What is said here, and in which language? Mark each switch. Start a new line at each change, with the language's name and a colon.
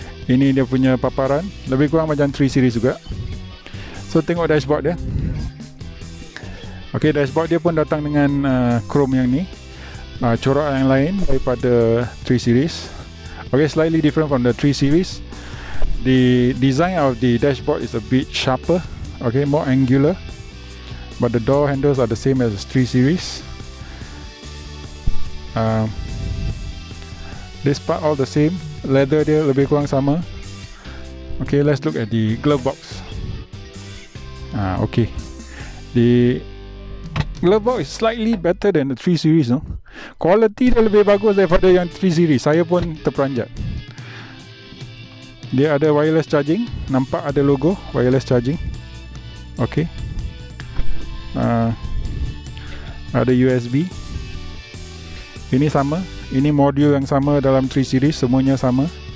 Malay: Ini dia punya paparan. Lebih kurang macam 3 series juga. So tengok dashboard dia. Okay, dashboard dia pun datang dengan chrome yang ni. Corak yang lain daripada 3 series.
English: Okay, slightly different from the 3 series. The design of the dashboard is a bit sharper. Okay, more angular. But the door handles are the same as 3 series. This part all the same. Leather
Malay: dia lebih kurang sama.
English: Okay, let's look at the glove box. Okay. The glove box is slightly better than the 3 series, no?
Malay: Quality dia lebih bagus daripada yang 3 series. Saya pun terperanjat. Dia ada wireless charging. Nampak ada logo wireless charging. Okay. Ada USB. Ini sama. Ini modul yang sama dalam 3 series. Semuanya sama.